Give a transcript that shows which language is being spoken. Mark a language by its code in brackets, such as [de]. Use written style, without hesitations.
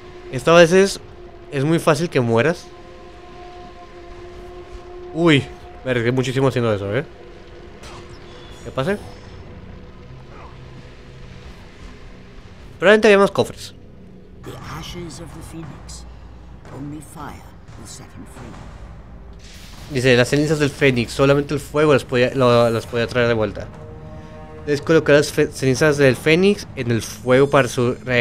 [es] Esto a veces es muy fácil que mueras. Uy, me arriesgué muchísimo haciendo eso, ¿eh? ¿Qué pasa? Probablemente había más cofres. [en] The ashes of the Phoenix. Only fire will set him free. [es] Dice, las cenizas del Fénix, solamente el fuego las podía traer de vuelta. Debes colocar las cenizas del Fénix en el fuego para su...